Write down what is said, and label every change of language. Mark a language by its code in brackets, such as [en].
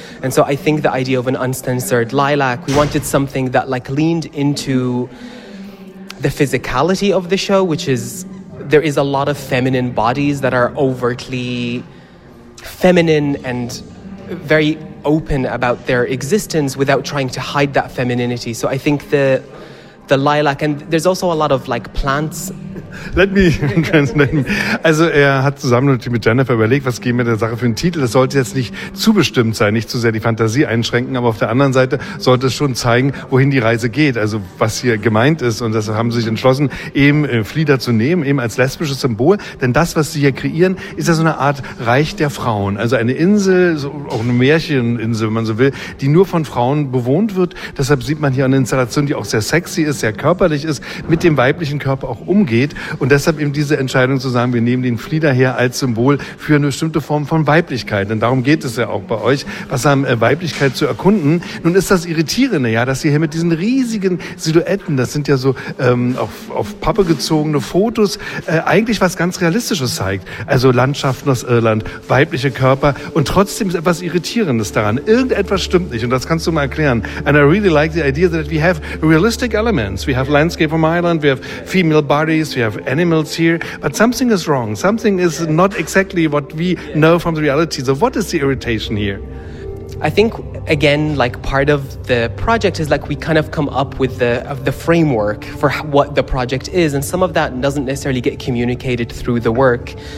[en] And so I think the idea of an uncensored lilac, we wanted something that like leaned into the physicality of the show, which is there is a lot of feminine bodies that are overtly feminine and very open about their existence without trying to hide that femininity. So I think the lilac, and there's also a lot of like plants. Let me translate. [de] Also er hat zusammen mit Jennifer überlegt, was geben wir der Sache für einen Titel. Das sollte jetzt nicht zu bestimmt sein, nicht zu sehr die Fantasie einschränken, aber auf der anderen Seite sollte es schon zeigen, wohin die Reise geht, also was hier gemeint ist. Und deshalb haben sie sich entschlossen, eben Flieder zu nehmen, eben als lesbisches Symbol. Denn das, was sie hier kreieren, ist ja so eine Art Reich der Frauen. Also eine Insel, so auch eine Märcheninsel, wenn man so will, die nur von Frauen bewohnt wird. Deshalb sieht man hier eine Installation, die auch sehr sexy ist, sehr körperlich ist, mit dem weiblichen Körper auch umgeht. Und deshalb eben diese Entscheidung zu sagen, wir nehmen den Flieder her als Symbol für eine bestimmte Form von Weiblichkeit. Denn darum geht es ja auch bei euch, Weiblichkeit zu erkunden. Nun ist das Irritierende, ja, dass ihr hier mit diesen riesigen Silhouetten, das sind ja so auf Pappe gezogene Fotos, eigentlich was ganz Realistisches zeigt. Also Landschaften aus Irland, weibliche Körper, und trotzdem ist etwas Irritierendes daran. Irgendetwas stimmt nicht, und das kannst du mal erklären. [en] And I really like the idea that we have realistic elements. We have landscape from Ireland, we have female bodies, we have animals here, but something is wrong. Something is not exactly what we know from the reality. So what is the irritation here? I think, again, like part of the project is like we kind of come up with the framework for what the project is, and some of that doesn't necessarily get communicated through the work.